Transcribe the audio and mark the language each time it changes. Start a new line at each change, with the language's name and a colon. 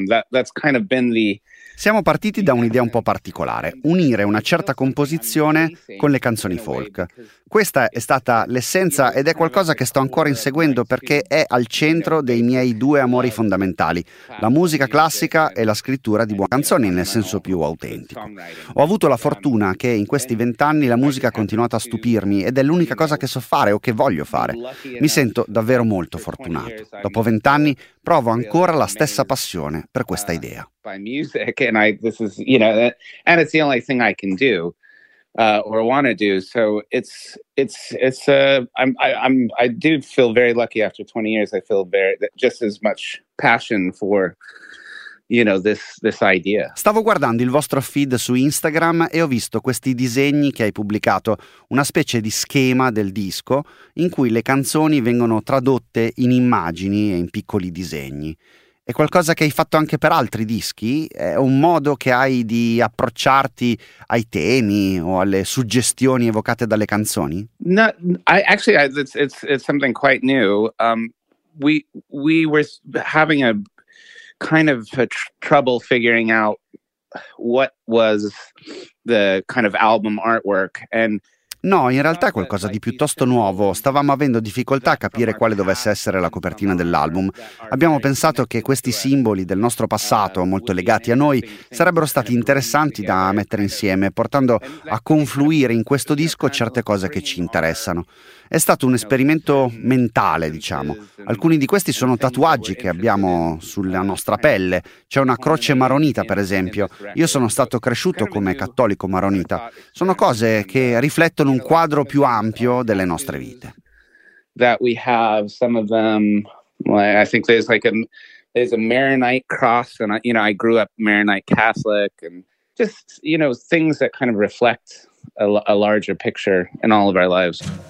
English: That's kind of been the...
Italian: Siamo partiti da un'idea un po' particolare, unire una certa composizione con le canzoni folk. Questa è stata l'essenza ed è qualcosa che sto ancora inseguendo perché è al centro dei miei due amori fondamentali, la musica classica e la scrittura di buone canzoni nel senso più autentico. Ho avuto la fortuna che in questi 20 anni la musica ha continuato a stupirmi ed è l'unica cosa che so fare o che voglio fare. Mi sento davvero molto fortunato. Dopo 20 anni provo ancora la stessa passione per questa idea.
English: By music, and and it's the only thing I can do, or want to do. So I do feel very lucky. After 20 years, I feel just as much passion for, this idea.
Italian: Stavo guardando il vostro feed su Instagram e ho visto questi disegni che hai pubblicato, una specie di schema del disco in cui le canzoni vengono tradotte in immagini e in piccoli disegni. È qualcosa che hai fatto anche per altri dischi? È un modo che hai di approcciarti ai temi o alle suggestioni evocate dalle canzoni?
English: No, it's something quite new. We were having a kind of a trouble figuring out what was the kind of album artwork and...
Italian: No, in realtà è qualcosa di piuttosto nuovo. Stavamo avendo difficoltà a capire quale dovesse essere la copertina dell'album. Abbiamo pensato che questi simboli del nostro passato, molto legati a noi, sarebbero stati interessanti da mettere insieme, portando a confluire in questo disco certe cose che ci interessano. È stato un esperimento mentale, diciamo. Alcuni di questi sono tatuaggi che abbiamo sulla nostra pelle. C'è una croce maronita, per esempio. Io sono stato cresciuto come cattolico maronita. Sono cose che riflettono un quadro più ampio delle nostre vite.
English: That we have some of them. I think there's a Maronite cross, and I grew up Maronite Catholic, and just things that kind of reflect a larger picture in all of our lives.